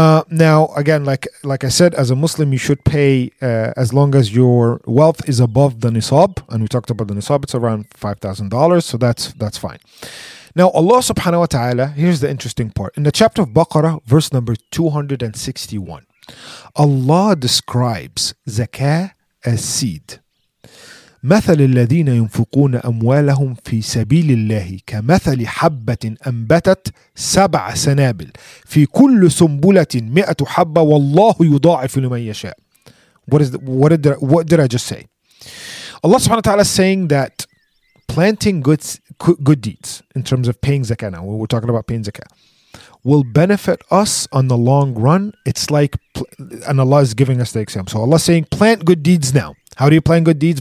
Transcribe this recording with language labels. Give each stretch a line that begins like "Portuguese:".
English: Now, again, like I said, as a Muslim, you should pay as long as your wealth is above the nisab. And we talked about the nisab, it's around $5,000, so that's fine. Now, Allah subhanahu wa ta'ala, here's the interesting part. In the chapter of Baqarah, verse number 261, Allah describes zakah as seed.
Arabic: مثل الذين ينفقون أموالهم في سبيل الله كمثل حبة أنبتت سبع سنابل في كل سنبلة مئة حبة والله يضاعف لمن يشاء.
English: What did I just say? Allah subhanahu wa ta'ala is saying that planting good deeds in terms of paying zakah, now we're talking about paying zakah, will benefit us on the long run. It's like, and Allah is giving us the example. So Allah is saying, plant good deeds now. How do you plant good deeds?